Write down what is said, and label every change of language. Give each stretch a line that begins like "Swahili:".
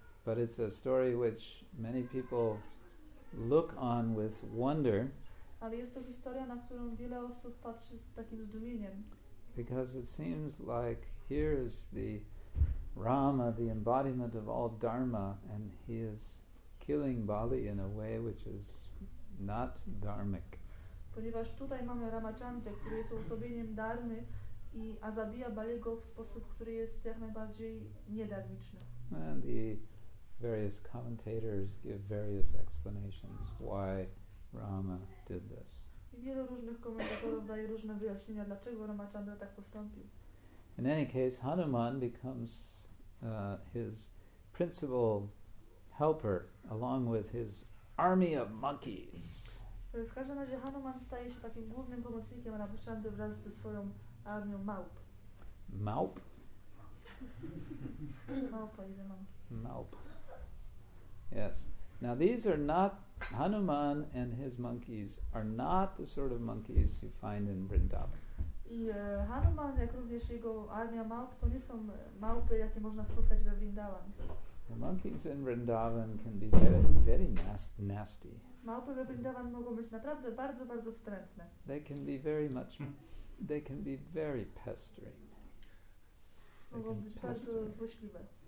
English: But it's a story which many people look on with wonder.
Polish: Ale jest to historia, na którą wiele osób patrzy z takim zdumieniem.
English: Because it seems like here is the Rama, the embodiment of all dharma, and he is killing Bali in a way which is not dharmic.
Polish: Ponieważ tutaj mamy Ramachandrę, który jest uosobieniem dharmy, a zabija Baliego w sposób, który jest jak najbardziej niedharmiczny.
English: And the various commentators give various explanations why Rama did this.
Polish: Wielu różnych komentatorów daje różne wyjaśnienia, dlaczego Ramachandra tak postąpił.
English: In any case, Hanuman becomes his principal helper, along with his army of monkeys.
Polish: W każdym razie Hanuman staje się takim głównym pomocnikiem Ramachandry wraz ze swoją armią małp. Małp? Małpa i demonki. Małp. Yes.
English: Now these are not, Hanuman and his monkeys are not the sort of monkeys you find in Vrindavan.
Polish: I Hanuman, jak również jego armia małp, to nie są małpy, jakie można spotkać we Vrindavan.
English: The monkeys in Vrindavan can be very, very nasty.
Polish: Małpy we Vrindavan mogą być naprawdę bardzo, bardzo wstrętne.
English: They can be very much, they can be very pestering.
Polish: Mogą być bardzo złośliwe.